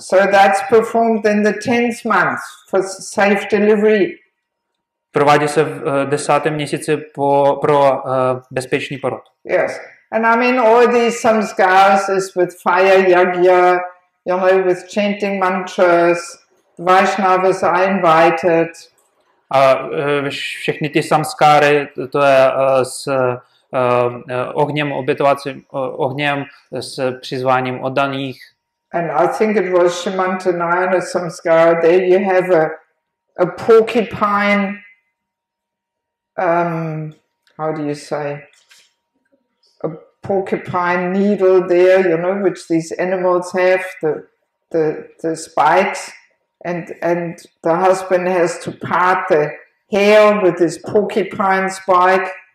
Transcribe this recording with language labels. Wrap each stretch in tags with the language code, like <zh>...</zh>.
<en>So that's performed in the 10th month for safe delivery.</en> <cs>Provádí se v 10. měsíci pro bezpečný porod.</cs> <en>Yes. And I mean all these samskaras is with fire yagya, with chanting mantras, Vaishnavas are invited.</en> <cs>A všechny ty samskáry, to je s ohněm, obětovacím ohněm, s přizváním oddaných.</cs> <en>And I think it was Shimantanayana samskara, there you have a porcupine, how do you say, a porcupine needle there, which these animals have, the spikes, and the husband has to part the hair with this porcupine spike.</en>